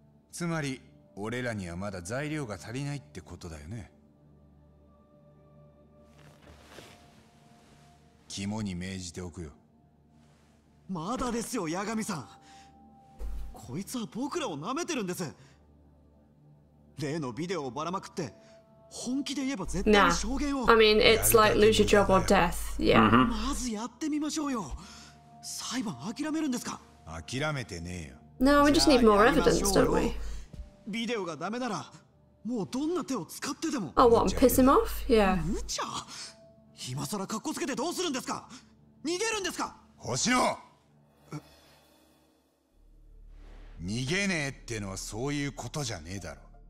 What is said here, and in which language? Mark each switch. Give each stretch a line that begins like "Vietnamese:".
Japanese: つまり俺らにはまだ材料が足りないってことだよね。肝に銘じておくよ。まだですよ、八神さん。こいつは僕らを舐めてるんです。例のビデオをばらまくって。
English: Nah, I mean, it's like lose your job or death. Yeah.
Japanese: まずやってみましょうよ。裁判諦めるんですか？諦めてねえよ。
English: No, we just need more evidence, don't we?
Japanese: ビデオがダメなら、もうどんな手を使ってでも。
English: Oh, what? Piss him off? Yeah.
Japanese: 無茶。今さらカッコつけてどうするんですか？逃げるんですか？星野。逃げねえってのはそういうことじゃねえだろ。